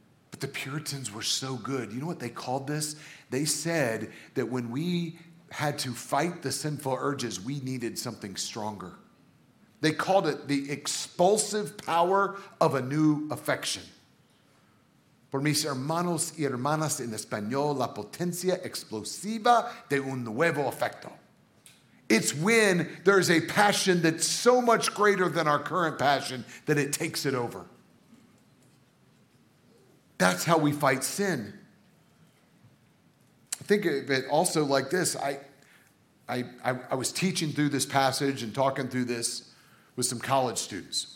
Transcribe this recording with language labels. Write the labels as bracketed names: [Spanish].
[English] But the Puritans were so good. You know what they called this? They said that when we had to fight the sinful urges, we needed something stronger. They called it the expulsive power of a new affection. [Spanish] Por mis hermanos y hermanas en español, la potencia explosiva de un nuevo efecto. [English] It's when there's a passion that's so much greater than our current passion that it takes it over. That's how we fight sin. Think of it also like this. I was teaching through this passage and talking through this with some college students.